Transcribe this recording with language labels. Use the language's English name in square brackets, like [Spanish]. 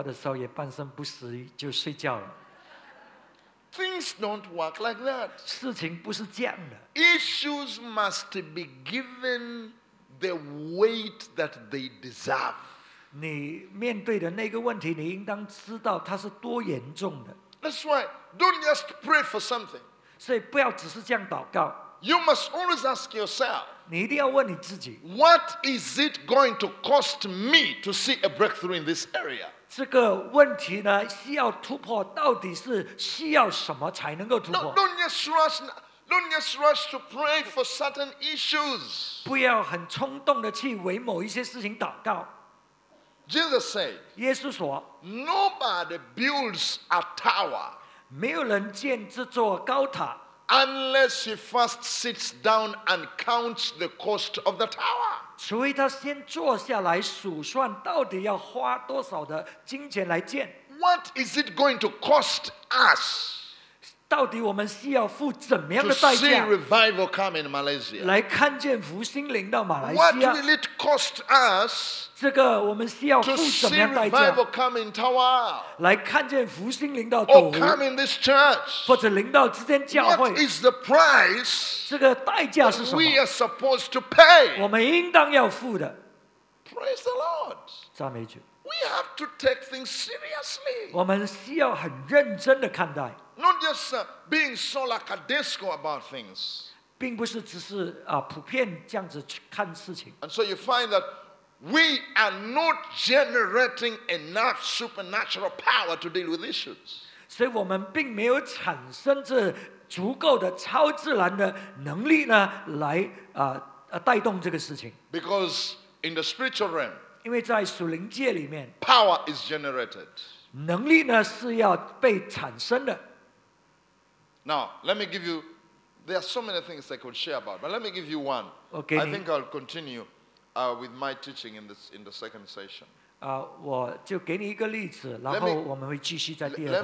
[Chinese] 所以你早上起来呢，你要祷告，可是你是坐在床上放枕头在你背后，那么你祷告的时候也半身不死就睡觉了。 [English] Things don't work like that. [Chinese] 事情不是这样的。 [English] Issues must be given the weight that they deserve. [Chinese] 你面对的那个问题，你应当知道它是多严重的。 [English] That's why, don't just pray for something. [Chinese] 所以不要只是这样祷告。 [English] You must always ask yourself, [Chinese] 你一定要问你自己, [English] what is it going to cost me to see a breakthrough in this area? [Chinese] 这个问题呢，需要突破，到底是需要什么才能够突破？ [English] Don't just rush to pray for certain issues. [Chinese] 不要很冲动的去为某一些事情祷告。 [English] Jesus said, [Chinese] 耶稣说, [English] nobody builds a tower [Chinese] 没有人建这座高塔, [English] unless he first sits down and counts the cost of the tower. [Chinese] 除非他先坐下来数算到底要花多少的金钱来建。 [English] What is it going to cost us? [Chinese] 到底我们需要付怎么样的代价? [English] To see revival come in Malaysia. [Chinese] 来看见福星临到马来西亚。 [English] What will it cost us? [Chinese] 这个我们需要付怎么样代价? [English] To see revival come in Tawau. [Chinese] 来看见福星临到斗湖。 [English] Or come in this church. [Chinese] 或者临到这间教会。 [English] What is the price? [Chinese] 这个代价是什么? [English] We are supposed to pay. [Chinese] 我们应当要付的。 [English] Praise the Lord. [Chinese] 赞美主。 [English] We have to take things seriously. [Chinese] 我们需要很认真地看待。 [English] Not just being so lackadaisical about things. [Chinese] 并不是只是普遍这样子看事情。 [English] And so you find that we are not generating enough supernatural power to deal with issues. [Chinese] 所以我们并没有产生这足够的超自然的能力呢，来带动这个事情。 [English] Because in the spiritual realm, [Chinese] 因为在属灵界里面, [English] power is generated. [Chinese] 能力呢是要被产生的。 [English] Now, let me give you, there are so many things I could share about, but let me give you one. Okay, I think I'll continue with my teaching in the second session. [Chinese] 我就给你一个例子, 然后我们会继续在第二章。